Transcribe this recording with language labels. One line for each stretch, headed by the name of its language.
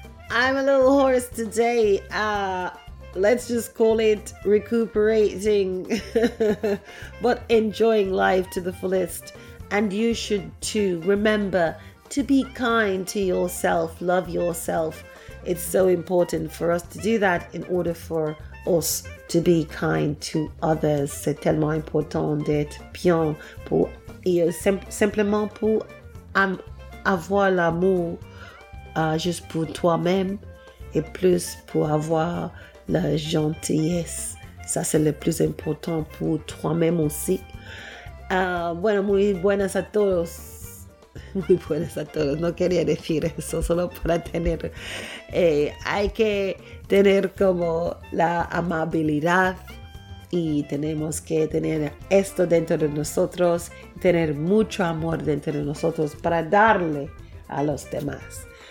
English: I'm a little hoarse today. Let's just call it recuperating. But enjoying life to the fullest. And you should too. Remember to be kind to yourself, love yourself. It's so important for us to do that in order for us to be kind to others.
French: C'est tellement important d'être bien pour simplement pour avoir l'amour juste pour toi-même et plus pour avoir la gentillesse. Ça, c'est le plus important pour toi-même aussi.
Spanish: Bueno, muy buenas a todos. Muy buenas a todos, no quería decir eso, solo para tener, hay que tener como la amabilidad y tenemos que tener esto dentro de nosotros, tener mucho amor dentro de nosotros para darle a los demás.